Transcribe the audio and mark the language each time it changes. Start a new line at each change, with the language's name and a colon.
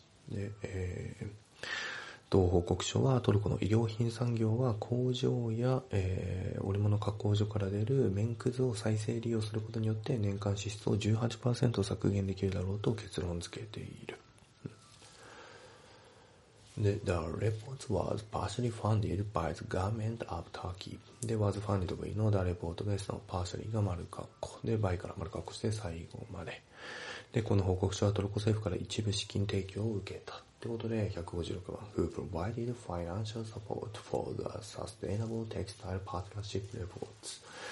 Japanese: うん、で、同報告書はトルコの医療品産業は工場や、織物加工所から出る綿くずを再生利用することによって年間支出を 18% 削減できるだろうと結論付けている。
English: で、The report was partially funded by the government of Turkey.
Japanese: で、
English: was funded by
Japanese: の
English: The report based on partially
Japanese: が丸括弧。で、by から丸括弧して最後まで。で、この報告書はトルコ政府から一部資金提供を受けた。ってことで、156番。
English: Who provided financial support for the sustainable textile partnership reports?